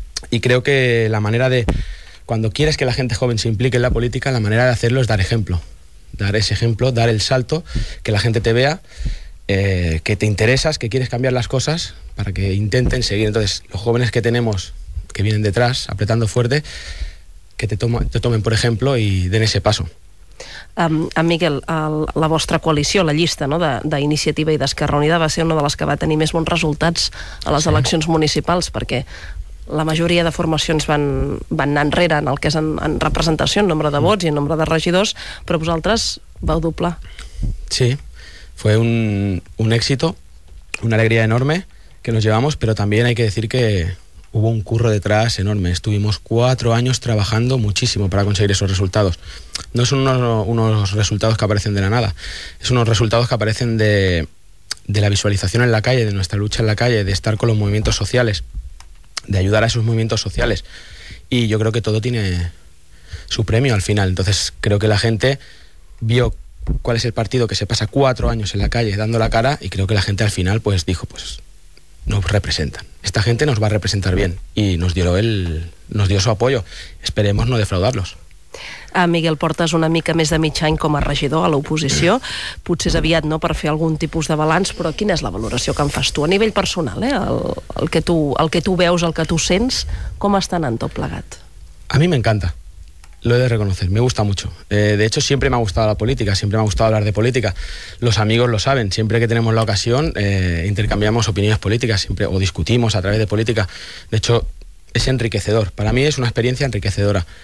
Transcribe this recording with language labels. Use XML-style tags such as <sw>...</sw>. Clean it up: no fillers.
<es>Y creo que la manera de... Cuando quieres que la gente joven se implique en la política, la manera de hacerlo es dar ejemplo. Dar ese ejemplo, dar el salto, que la gente te vea, que te interesas, que quieres cambiar las cosas para que intenten seguir. Entonces, los jóvenes que tenemos, que vienen detrás, apretando fuerte, que te tomen por ejemplo y den ese paso.</es> <ca>Miguel, la vostra coalició, la llista, no, d'Iniciativa i d'Esquerra Unida va ser una de les que va tenir més bons resultats a les eleccions municipals, perquè... La majoria de formacions van anar enrere en el que és en representació, en nombre de vots i en nombre de regidors, però vosaltres vau doblar.</ca> <es>Sí, fue un éxito, una alegría enorme que nos llevamos, pero también hay que decir que hubo un curro detrás enorme. Estuvimos 4 años trabajando muchísimo para conseguir esos resultados. No son unos resultados que aparecen de la nada, son unos resultados que aparecen de la visualización en la calle, de nuestra lucha en la calle, de estar con los movimientos sociales, de ayudar a esos movimientos sociales. Y yo creo que todo tiene su premio al final. Entonces creo que la gente vio cuál es el partido que se pasa 4 años en la calle dando la cara, y creo que la gente al final pues dijo, pues nos representan. Esta gente nos va a representar bien. Y nos dio su apoyo. Esperemos no defraudarlos.</es> <ca>Miguel, portes una mica més de mig any com a regidor a l'oposició. Potser és aviat, no?, per fer algun tipus de balanç, però quina és la valoració que en fas tu a nivell personal, eh? El que tu veus, el que tu sents, com està anant tot plegat? A mi m'encanta.</ca> <es>Lo he de reconocer, me gusta mucho. De hecho, siempre me ha gustado la política, siempre me ha gustado hablar de política. Los amigos lo saben, siempre que tenemos la ocasión intercambiamos opiniones políticas siempre, o discutimos a través de política. De hecho, es enriquecedor. Para mí es una experiencia enriquecedora.</es>